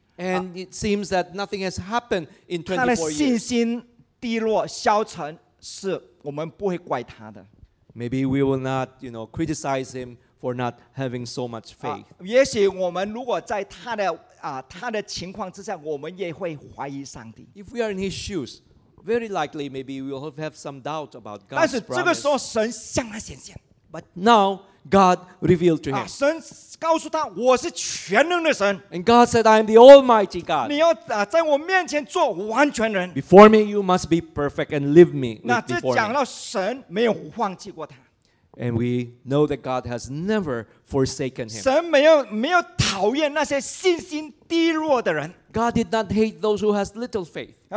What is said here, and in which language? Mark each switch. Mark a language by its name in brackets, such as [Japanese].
[English] And it seems that nothing has happened in 24 years. [Chinese] 他的信心低落消沉，是我们不会怪他的。 [English] Maybe we will not, you know, criticize him for not having so much faith. [Chinese] 也许我们如果在他的情况之下，我们也会怀疑上帝。 [English] If we are in his shoes, very likely maybe we will have some doubt about God's [Chinese] 但是这个时候神向他显现。 [English] promise. But now God revealed to him. [Chinese] 神告诉他，我是全能的神。 [English] And God said, I am the Almighty God. [Chinese] 你要在我面前做完全人。 [English] Before me, you must be perfect and live me. [Chinese] 那这讲到神没有忘记过他。 [English] And we know that God has never forsaken him. [Chinese] 神没有讨厌那些信心低落的人。 [English] God did not hate those who has little faith.